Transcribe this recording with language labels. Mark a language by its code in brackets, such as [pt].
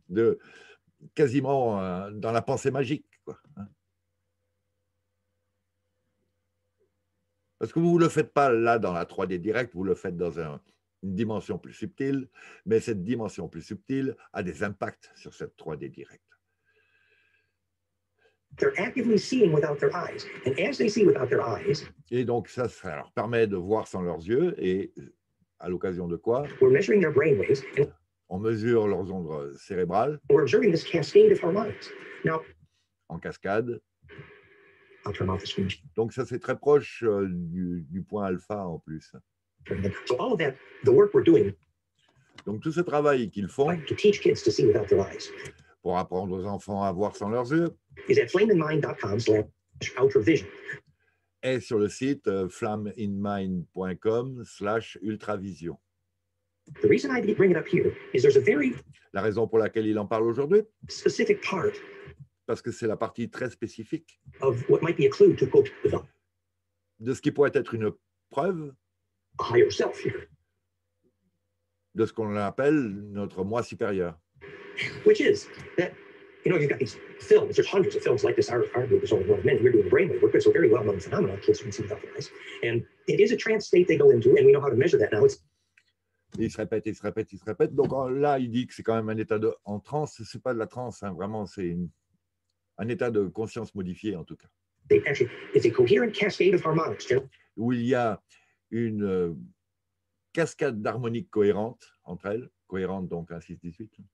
[fr] de quasiment dans la pensée magique, quoi. Parce que vous ne le faites pas là dans la 3D directe, vous le faites dans une dimension plus subtile, mais cette dimension plus subtile a des impacts sur cette 3D directe. [en] They're actively seeing without their eyes. And as they see without their eyes, [fr] et donc ça, ça leur permet de voir sans leurs yeux, et à l'occasion de quoi? [en] We're measuring their brain waves, [fr] and on mesure leurs ondes cérébrales. [en] We're observing this cascade of harmonics. Now, [fr] en cascade. [en] I'll turn off the screen. [fr] Donc ça, c'est très proche du point alpha en plus. [en] So all of that, the work we're doing, [fr] donc tout ce travail qu'ils font [en] to teach kids to see without their eyes, [fr] pour apprendre aux enfants à voir sans leurs yeux, [en] is at flameinmind.com/ultravision. [fr] Est sur le site flameinmind.com/ultravision. [en] The reason I bring it up here is there's a very [fr] la raison pour laquelle il en parle aujourd'hui [en] specific part, [fr] parce que c'est la partie très spécifique [en] of what might be a clue to quote the vine, [fr] de ce qui pourrait être une preuve [en] a higher self here, [fr] de ce qu'on appelle notre moi supérieur, [en] which is that, you know, you've got these films, there's hundreds of films like this, arguably there's only one of many, we're doing brainwave work, but it's a very well-known phenomenon, kids can see without their eyes, and it is a trance state they go into, and we know how to measure that now. It's [fr] il se répète, donc là il dit que c'est quand même un état de en transe, c'est pas de la transe, hein, vraiment c'est un état de conscience modifié en tout cas. [en] It's a coherent cascade of harmonics, Jim. [fr] Où il y a une cascade d'harmoniques cohérentes entre elles, cohérentes donc 1-6-18.